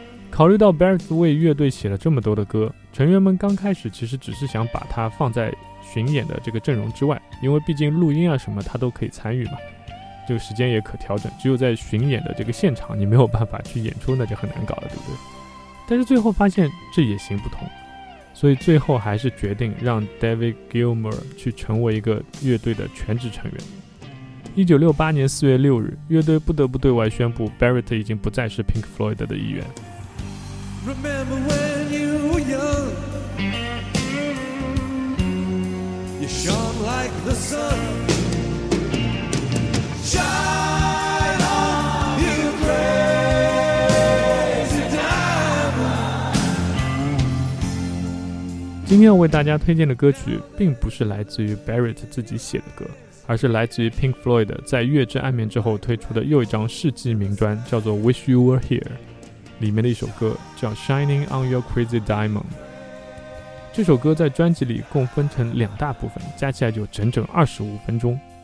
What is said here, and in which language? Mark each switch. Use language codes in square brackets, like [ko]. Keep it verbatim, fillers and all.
[zh] 考虑到 Barrett 为乐队写了这么多的歌，成员们刚开始其实只是想把他放在巡演的这个阵容之外，因为毕竟录音啊什么他都可以参与嘛，这个时间也可调整，只有在巡演的这个现场你没有办法去演出，那就很难搞了，对不对？但是最后发现这也行不通，所以最后还是决定让 David Gilmour 去成为一个乐队的全职成员。一九六八年四月六日，乐队不得不对外宣布 Barrett 已经不再是 Pink Floyd 的一员。 [en] Remember when you were young, you shone like the sun, shine on you crazy diamond。 [zh] 今天我为大家推荐的歌曲并不是来自于 Barrett 自己写的歌，而是来自于 Pink Floyd 在《月之暗面》之后推出的又一张世纪名专，叫做 Wish You Were Here，里面的一首歌叫 Shining on Your Crazy Diamond。这首歌在专辑里共分成两大部分，加起来有整整二十五分钟。